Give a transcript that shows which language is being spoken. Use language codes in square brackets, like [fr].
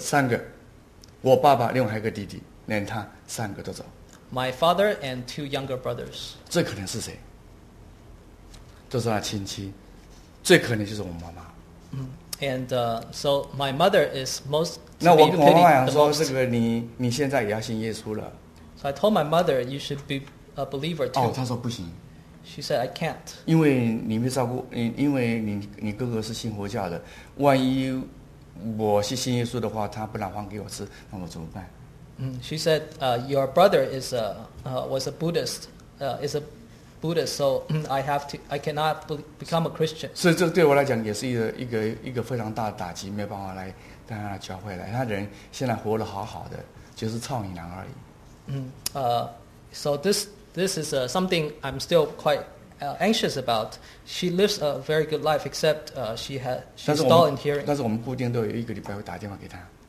[zh] 三个，我爸爸，另外还有个弟弟，连他三个都走。 [en] My father and two younger brothers. [zh] 最可能是谁？就是他亲戚，最可能就是我妈妈。 [en] And so my mother is most. [zh] 那我跟我妈妈讲说，这个你现在也要信耶稣了。 [en] So I told my mother you should be a believer too. [zh] 哦，她说不行。 [en] She said, "I can't." [zh] 因为你没照顾，因为你哥哥是信佛教的，万一我是信耶稣的话，他不能还给我吃，那我怎么办？ [en] She said, "Your brother was a Buddhist, so I cannot become a Christian." [zh] 所以这对我来讲也是一个非常大的打击，没有办法来带他教会来。他人现在活得好好的，就是操你娘而已。 [en] So this is something I'm still quite anxious about. She lives a very good life, except she's dull in hearing. [zh] 但是我们固定都有一个礼拜会打电话给她。